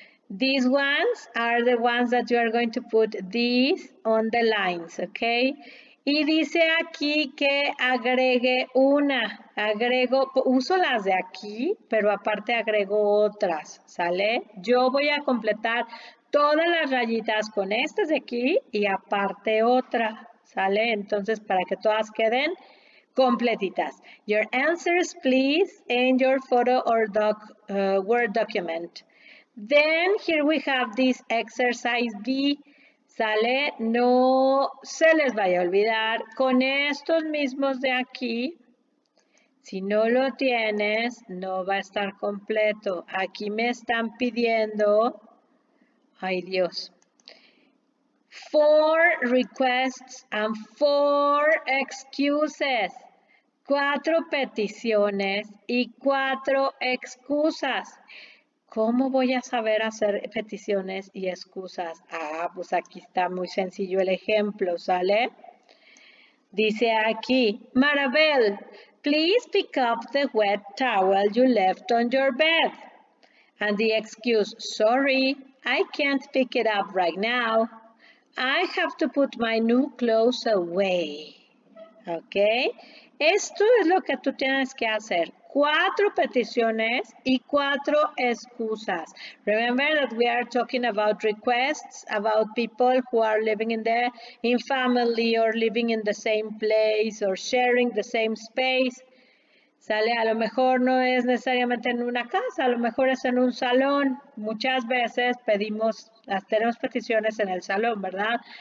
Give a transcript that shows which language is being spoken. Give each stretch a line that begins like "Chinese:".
English: These ones are the ones that you are going to put these on the lines, okay?
Spanish: Y dice aquí que agregue una. Agrego, uso las de aquí, pero aparte agrego otras, ¿sale? Yo voy a completar todas las rayitas con estas de aquí y aparte otra, ¿sale? Entonces, para que todas queden completitas.
English: Your answers, please, in your photo or Word document. Then, here we have this exercise B. ¿Sale?
Spanish: No se les vaya a olvidar con estos mismos de aquí. Si no lo tienes, no va a estar completo. Aquí me están pidiendo, ay Dios,
English: 4 requests and 4 excuses.
Spanish: 4 peticiones y 4 excusas. ¿Cómo voy a saber hacer peticiones y excusas? Ah, pues aquí está muy sencillo el ejemplo, ¿sale? Dice aquí,
English: Maribel, please pick up the wet towel you left on your bed. And the excuse, sorry, I can't pick it up right now. I have to put my new clothes away. ¿Ok?
Spanish: Esto es lo que tú tienes que hacer. 4 peticiones y 4 excusas.
English: Remember that we are talking about requests, about people who are living in family or living in the same place or sharing the same space.
Spanish: Sale, a lo mejor no es necesariamente en una casa, a lo mejor es en un salón. Muchas veces pedimos, tenemos peticiones en el salón, ¿verdad?